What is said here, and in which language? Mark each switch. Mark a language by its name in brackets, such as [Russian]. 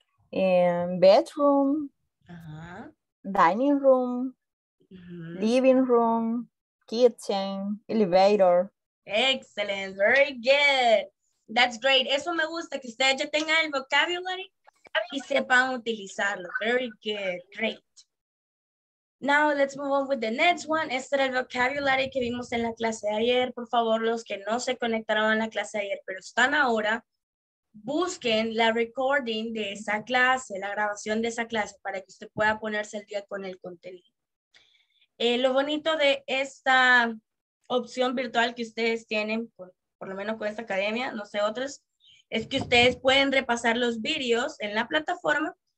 [English] Mm-hmm. Bedroom, uh-huh. Dining room, uh-huh. Living room, kitchen, elevator. Excellent. Very good. That's great. [Spanish] Eso me gusta, que ustedes ya tengan el vocabulary y sepan utilizarlo. [English] Very good. Great. Now, let's move on with the next one. [Spanish] Este era el vocabulary que vimos en la clase de ayer. Por favor, los que no se conectaron a la clase de ayer, pero están ahora, busquen la recording de esa clase, la grabación de esa clase, para que usted pueda ponerse al día con el contenido. Lo bonito de esta opción virtual que ustedes tienen, por lo menos con esta academia, no sé otras, es que ustedes pueden repasar los videos en la plataforma.